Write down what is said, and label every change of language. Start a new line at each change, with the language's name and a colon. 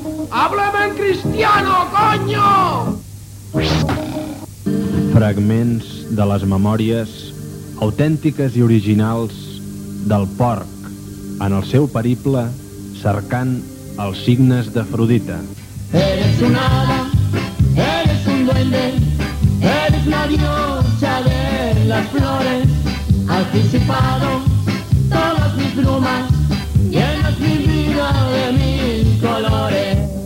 Spanish: ¡Háblame en cristiano, coño!
Catalan: Fragments de les memòries autèntiques i originals del porc en el seu periple cercant els signes d'Afrodita.
Spanish: Eres un hada, eres un duende, eres la diosa de las flores. Has disipado todas mis brumas, llenas mi vida de mil colores.